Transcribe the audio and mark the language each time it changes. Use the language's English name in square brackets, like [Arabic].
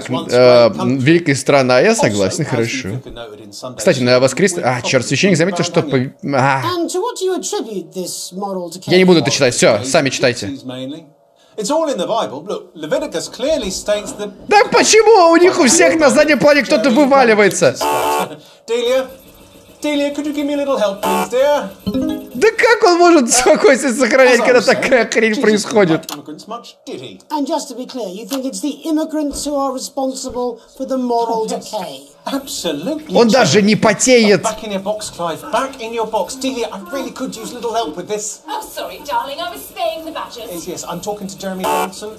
[Russian] Так, великая страна, я согласен, хорошо. Кстати, на воскресный... А, черт, священник заметил, что... Я не буду это читать, все, сами читайте. [English] It's all in the Bible. Look, Leviticus clearly states that... [Russian] Да почему у них у всех на заднем плане кто-то вываливается? [English] Делия, could you give me a little help, please, dear? [Russian] Да как он может спокойствие сохранять, когда такая хрень происходит? [English] And just to be clear, you think it's the immigrants who are responsible for the moral decay? Absolutely. [Russian] Он даже не потеет. [English] Back in your box, Clive. Back in your box, Delia. I really could use a little help with this. Oh, sorry, darling. I was spaying the badgers. Yes, I'm talking to Jeremy Johnson.